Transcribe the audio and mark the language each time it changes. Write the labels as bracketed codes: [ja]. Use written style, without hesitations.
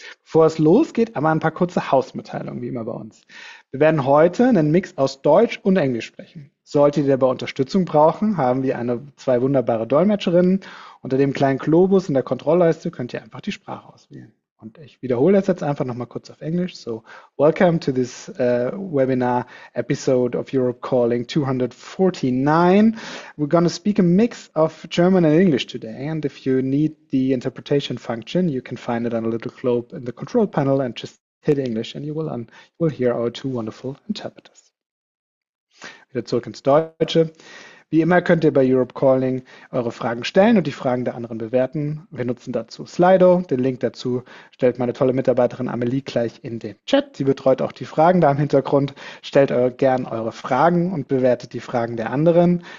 [de] Bevor es losgeht, aber ein paar kurze Hausmitteilungen, wie immer bei uns. Wir werden heute einen Mix aus Deutsch und Englisch sprechen. Solltet ihr dabei Unterstützung brauchen, haben wir zwei wunderbare Dolmetscherinnen. Unter dem kleinen Globus in der Kontrollleiste könnt ihr einfach die Sprache auswählen. Und ich wiederhole das jetzt einfach nochmal kurz auf Englisch. [en] So, welcome to this Webinar episode of Europe Calling 249. We're going to speak a mix of German and English today. And if you need the interpretation function, you can find it on a little globe in the control panel and just hit English and you will hear our two wonderful interpreters. [de] Wieder zurück ins Deutsche. Wie immer könnt ihr bei Europe Calling eure Fragen stellen und die Fragen der anderen bewerten. Wir nutzen dazu Slido. Den Link dazu stellt meine tolle Mitarbeiterin Amelie gleich in den Chat. Sie betreut auch die Fragen da im Hintergrund. Stellt gern eure Fragen und bewertet die Fragen der anderen.